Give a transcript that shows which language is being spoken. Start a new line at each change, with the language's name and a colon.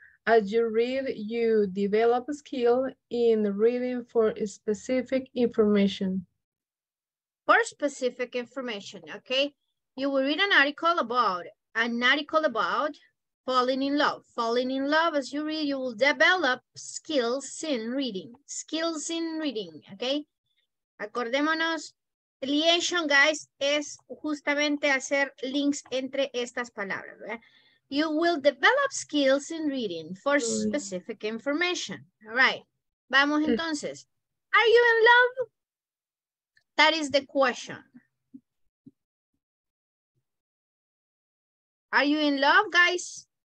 English: As you read, you develop a skill in reading for specific information. For specific information, okay. You will read an article about falling in love. Falling in love, as you read, you will develop skills in reading. Skills in reading, okay.
Spanish: Acordémonos. Liaison, guys, es justamente hacer links entre estas palabras. ¿Verdad?
English: You will develop skills in reading for specific information. All right.
Spanish: Vamos entonces.
English: Are you in love? That is the question. Are you in love, guys?